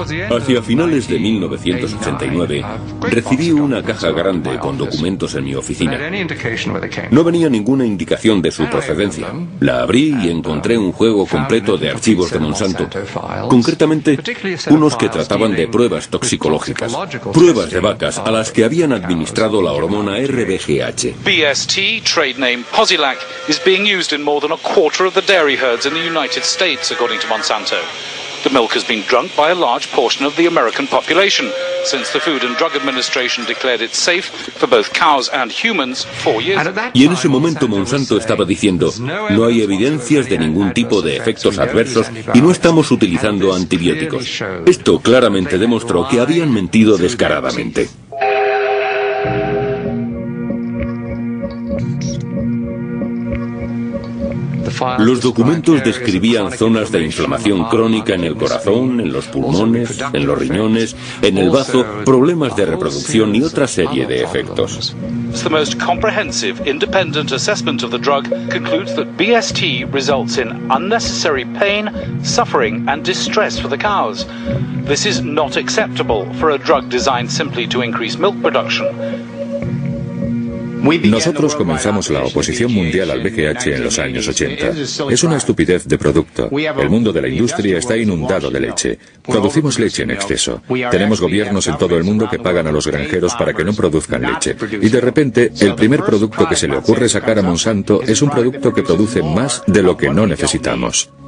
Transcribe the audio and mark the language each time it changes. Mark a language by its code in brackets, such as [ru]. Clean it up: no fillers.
[es] Hacia finales de 1989, recibí una caja grande con documentos en mi oficina. No venía ninguna indicación de su procedencia. La abrí y encontré un juego completo de archivos de Monsanto, concretamente unos que trataban de pruebas toxicológicas, pruebas de vacas a las que habían administrado la hormona RBGH. [en] BST, trade name Posilac, is being used in more than a quarter of the dairy herds in the United States, according to Monsanto. The milk has been drunk by a large portion of the American population since the Food and Drug Administration declared it safe for both cows and humans 4 years ago. [es] Y en ese momento Monsanto estaba diciendo, no hay evidencias de ningún tipo de efectos adversos y no estamos utilizando antibióticos. Esto claramente demostró que habían mentido descaradamente. Los documentos describían zonas de inflamación crónica en el corazón, en los pulmones, en los riñones, en el bazo, problemas de reproducción y otra serie de efectos. [en] The most comprehensive independent assessment of the drug concludes that BST results in unnecessary pain, suffering and distress for the cows. This is not acceptable for a drug designed simply to increase milk production. [es] Nosotros comenzamos la oposición mundial al BGH en los años 80. Es una estupidez de producto. El mundo de la industria está inundado de leche. Producimos leche en exceso. Tenemos gobiernos en todo el mundo que pagan a los granjeros para que no produzcan leche. Y de repente, el primer producto que se le ocurre sacar a Monsanto es un producto que produce más de lo que no necesitamos.